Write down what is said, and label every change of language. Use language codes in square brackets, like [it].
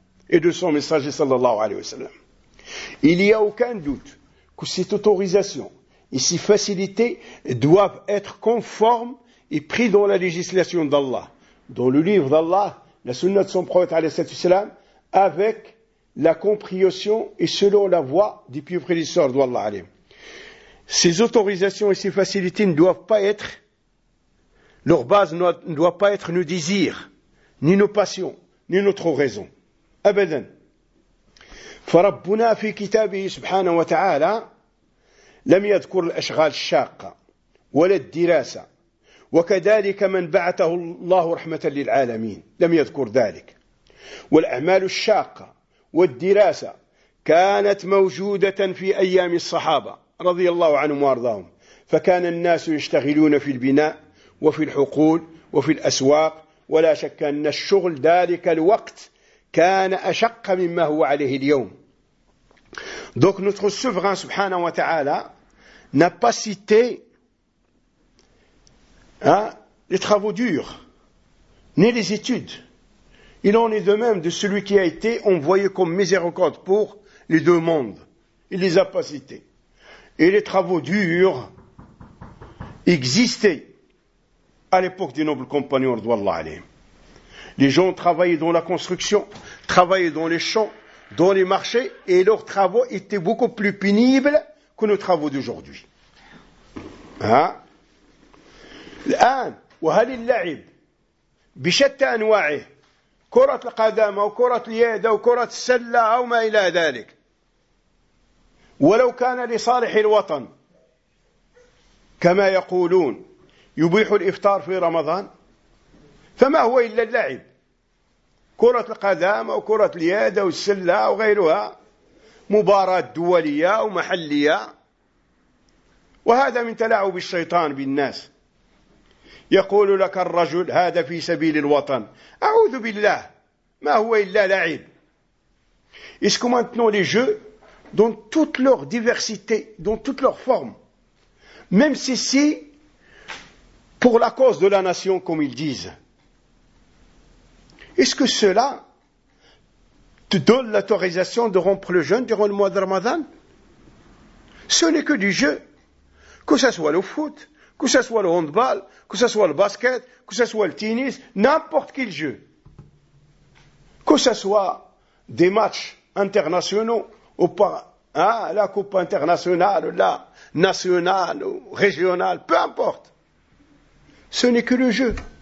[fr] et de son messager sallallahu alayhi wa sallam. Il n'y a aucun doute que cette autorisation et ces facilités doivent être conformes et pris dans la législation d'Allah, dans le livre d'Allah, la sunna de son prophète alayhi wa sallam, avec la compréhension et selon la voie du plus prédisseur d'Allah alayhi. Ces autorisations et ces facilités ne doivent pas être, leur base ne doit pas être nos désirs, ni nos passions, ni notre raison. [ar] Abadan. فربنا في كتابه سبحانه وتعالى لم يذكر الأشغال الشاقة ولا الدراسة وكذلك من بعثه الله رحمة للعالمين لم يذكر ذلك والأعمال الشاقة والدراسة كانت موجودة في أيام الصحابة رضي الله عنهم وارضاهم فكان الناس يشتغلون في البناء وفي الحقول وفي الأسواق ولا شك أن الشغل ذلك الوقت كان أشق مما هو عليه اليوم. [fr] Donc notre souverain subhanahu wa ta'ala n'a pas cité les travaux durs, ni les études. Il en est de même de celui qui a été envoyé comme miséricorde pour les deux mondes. Il les a pas cités. Et les travaux durs existaient à l'époque des nobles compagnons radhiyallahu anhum. Les gens travaillaient dans la construction, travaillaient dans les champs, dans les marchés, et leurs travaux étaient beaucoup plus pénibles que nos travaux d'aujourd'hui. [ar] الآن وهل اللعب بشتى أنواعه كرة القدم أو كرة اليد أو كرة السلة أو ما إلى ذلك ولو كان لصالح الوطن كما يقولون يبيح الإفطار في رمضان فما هو إلا اللعب كرة القدم أو كرة اليد أو السلة أو غيرها مباراة دولية أو محلية وهذا من تلاعب الشيطان بالناس يقول لك الرجل هذا في سبيل الوطن أعوذ بالله ما هو إلا لعب [fr] Est-ce que maintenant les jeux dans toute leur diversité dans toute leur forme même si c'est pour la cause de la nation comme ils disent Est-ce que cela te donne l'autorisation de rompre le jeûne durant le mois de Ramadan? Ce n'est que du jeu. Que ce soit le foot, que ce soit le handball, que ce soit le basket, que ce soit le tennis, n'importe quel jeu. Que ce soit des matchs internationaux, ou pas, la coupe internationale, ou la nationale, ou régionale, peu importe. Ce n'est que le jeu.